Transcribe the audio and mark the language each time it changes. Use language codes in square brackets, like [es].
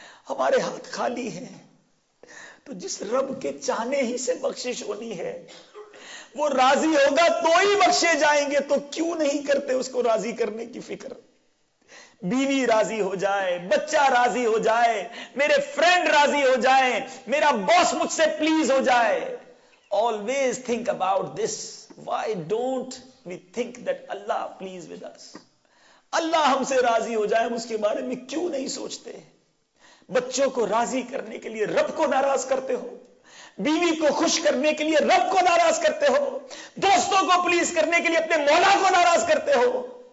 [ur] ہمارے ہاتھ خالی ہیں۔ تو جس رب کے چاہنے ہی سے بخشش ہونی ہے، وہ راضی ہوگا تو ہی بخشے جائیں گے، تو کیوں نہیں کرتے اس کو راضی کرنے کی فکر؟ بیوی راضی ہو جائے، بچہ راضی ہو جائے، میرے فرینڈ راضی ہو جائے، میرا باس مجھ سے پلیز ہو جائے۔ [en] Always think about this. Why don't we think that Allah pleased with us? [ur] Allah ہم سے راضی ہو جائے، ہم اس کے بارے میں کیوں نہیں سوچتے؟ بچوں کو راضی کرنے کے لیے رب کو ناراض کرتے ہو، بیوی کو خوش کرنے کے لیے رب کو ناراض کرتے ہو، دوستوں کو پلیز کرنے کے لیے اپنے مولا کو ناراض کرتے ہو۔